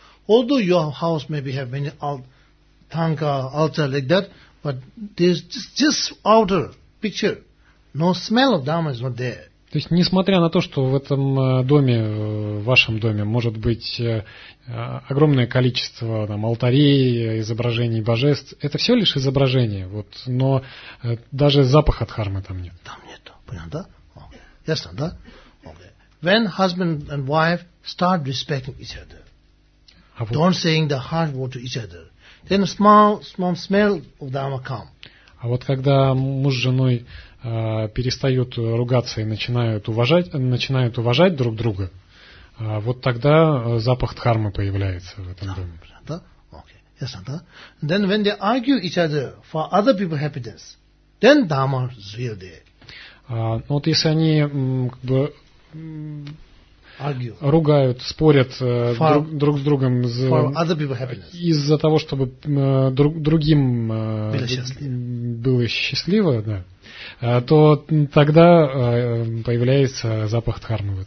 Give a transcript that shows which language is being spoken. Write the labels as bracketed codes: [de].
[en] Although your house maybe have many tanka, altar, like that, but there's just outer picture. No smell of dharma is not there. [ru] То есть, несмотря на то, что в этом доме, в вашем доме, может быть огромное количество там, алтарей, изображений божеств, это все лишь изображение, вот, но даже запаха дхармы там нет. Там нет. Понятно, да? Okay. Ясно, да? Okay. [en] When husband and wife start respecting each other, don't saying the harsh word to each other, then small smell of dharma come. [ru] А вот когда муж с женой перестают ругаться и начинают уважать друг друга, вот тогда запах дхармы появляется в этом доме. Да? Okay. [en] Yes, and then when they argue each other for other people's happiness, then dharma is real there. [ru] Вот если они как бы ругают, спорят друг с другом из-за того, чтобы другим было счастливо, да, то тогда появляется запах дхармы.